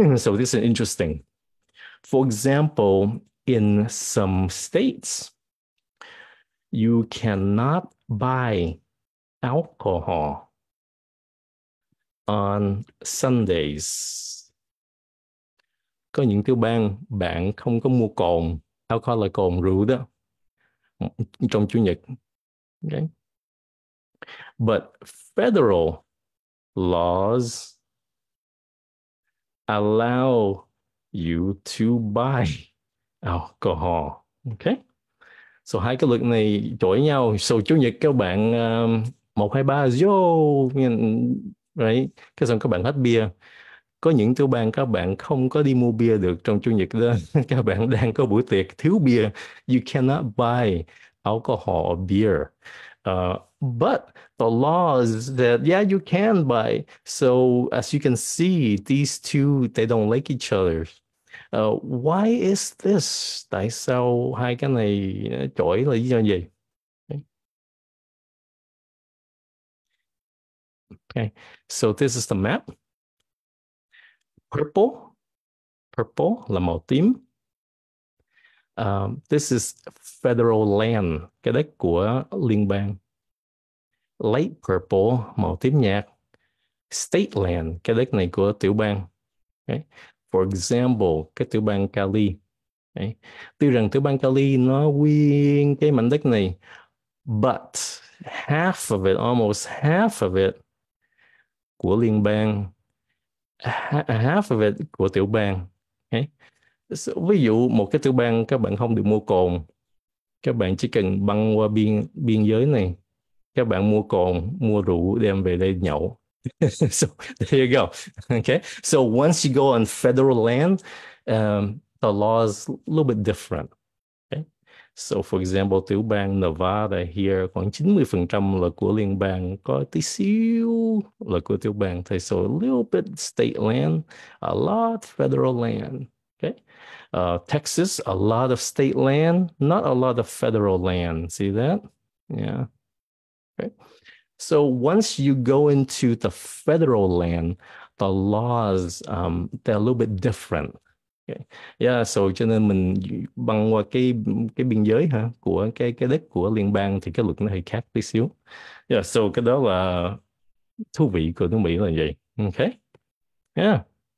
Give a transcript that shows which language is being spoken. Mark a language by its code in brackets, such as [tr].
[en] So this is interesting. For example, in some states, you cannot buy alcohol on Sundays. [vi] Có những tiểu bang bạn không có mua cồn, alcohol là cồn rượu đó, trong Chủ nhật. [en] Okay. But federal laws allow you to buy alcohol. Okay. [vi] So hai cái luật này chổi nhau. So Chủ nhật các bạn 1, 2, 3 vô, right? Cái xong các bạn hết bia. Có những tiểu bang các bạn không có đi mua bia được trong Chủ nhật đó. Các bạn đang có buổi tiệc thiếu bia. [en] You cannot buy alcohol or beer. But the laws that yeah you can buy. So as you can see, these two they don't like each other. Why is this? [vi] Tại sao hai cái này chổi là lý do gì? [en] Okay. So this is the map. Purple. [vi] Purple là màu tím. [en] This is federal land, [vi] cái đất của liên bang. [en] Light purple, [vi] màu tím nhạt. [en] State land, [vi] cái đất này của tiểu bang. Okay. [en] For example, [vi] cái tiểu bang Cali. Okay. Tuy rằng tiểu bang Cali nó nguyên cái mảnh đất này, [en] but half of it, almost half of it [vi] của liên bang, [en] half of it [vi] của tiểu bang. Okay. So, ví dụ một cái tiểu bang các bạn không được mua cồn, các bạn chỉ cần băng qua biên giới này, các bạn mua cồn, mua rượu đem về đây nhậu. [en] So there you go. Okay. So once you go on federal land, the law is a little bit different. So for example, [vi] tiểu bang Nevada here, khoảng 90% là của liên bang, có tí xíu là của tiểu bang. [en] Thì so a little bit state land, a lot federal land. Okay. Texas, a lot of state land, not a lot of federal land. See that? Yeah. Okay. So once you go into the federal land, the laws they're a little bit different. Okay. [vi] Yeah, so cho nên mình băng qua cái biên giới hả của cái đất của liên bang thì cái luật nó hơi khác tí xíu. Yeah, so cái đó là thú vị của nước Mỹ là vậy. Okay. Yeah.